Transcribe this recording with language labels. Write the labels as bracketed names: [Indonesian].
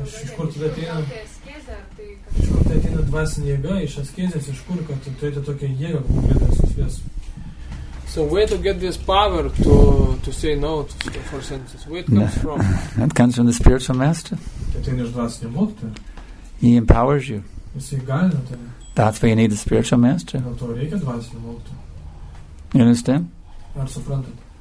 [Lithuanian] Iš kur tai ateina dvasinė jėga iš askezės, iš kur, kad turėtų tokią jėgą, kur jėga susvies. [English] So where to get this power to say no to the four senses? Where it comes from? That comes from the spiritual master. [Lithuanian] Tai ateina iš dvasinė mokytoja. [English] He empowers you. [Lithuanian] Jis įgalina tave. [English] That's why you need the spiritual master. [Lithuanian] Dėl to reikia dvasinė mokytoja. [English] You understand? [Lithuanian] Ar suprantat?